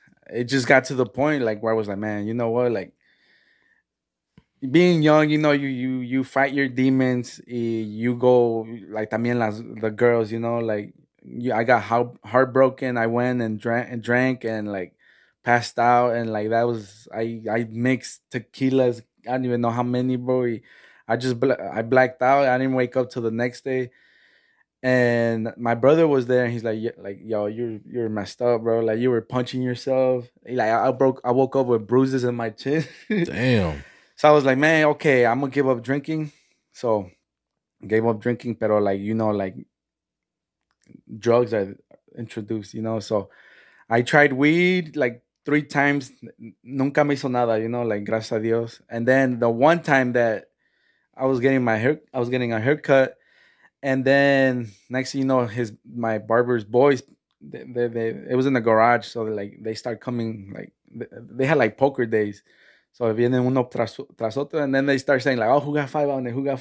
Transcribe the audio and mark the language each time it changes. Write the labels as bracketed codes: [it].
[en] It just got to the point like where I was like, man, you know what? Like being young, you know, you fight your demons. You go like [es] también las [en] the girls, you know, like. I got heartbroken. I went and drank and like passed out. And like that was, I mixed tequilas. I don't even know how many, bro. I blacked out. I didn't wake up till the next day. And my brother was there. And he's like, yo, you're messed up, bro. Like you were punching yourself. Like I woke up with bruises in my chin. Damn. So I was like, man, okay, I'm going to give up drinking. So gave up drinking, pero like, you know, like, drugs I introduced, you know. So I tried weed like 3 times. [es] Nunca me hizo nada, [en] you know, like [es] gracias a Dios. [en] And then the one time that I was getting a haircut, and then next thing you know, my barber's boys, they it was in the garage, so like they start coming, like they had like poker days. So [es] vienen uno tras otro, [en] and then they start saying like, oh, who got five on it?